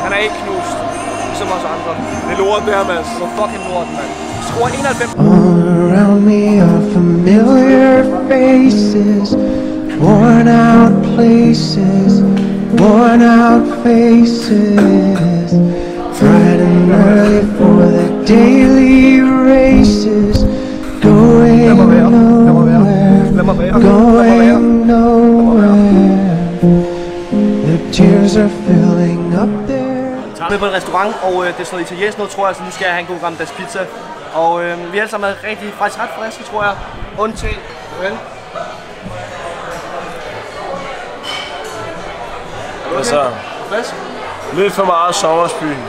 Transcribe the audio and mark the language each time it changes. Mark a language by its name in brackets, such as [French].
[Danish] Han er ikke knust, ligesom os andre. Det er lort der, mand. Det er fucking lort, mand. Skruer 91. [English] All around me are familiar faces. Worn out places. Worn out faces. Bright and early for the daily races. Going nowhere. Going nowhere. Tears are filling up there. [Danish] Vi er på en restaurant, og det er sådan noget italiensk noget, tror jeg, så nu skal jeg have en god gang med deres pizza. Og vi er alle sammen rigtig, faktisk ret friske, tror jeg. Undtagen. Vel. Okay. Hvad så? Frisk? Lidt for meget sommersby.